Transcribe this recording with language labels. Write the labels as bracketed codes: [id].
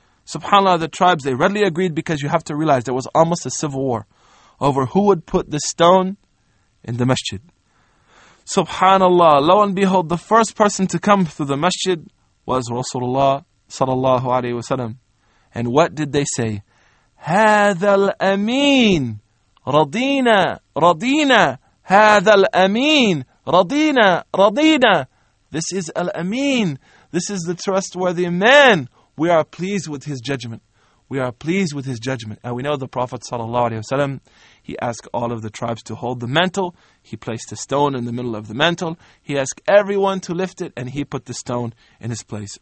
[en] SubhanAllah, the tribes, they readily agreed, because you have to realize there was almost a civil war over who would put the stone in the masjid. SubhanAllah, lo and behold, the first person to come through the masjid was Rasulullah sallallahu alayhi wa sallam. And what did they say? [ar] هذا الأمين رضينا رضينا هذا الأمين رضينا رضينا. [en] This is Al-Amin. This is the trustworthy man. We are pleased with his judgment. We are pleased with his judgment. And we know the Prophet sallallahu alayhi wa sallam, he asked all of the tribes to hold the mantle. He placed a stone in the middle of the mantle. He asked everyone to lift it, and he put the stone in his place.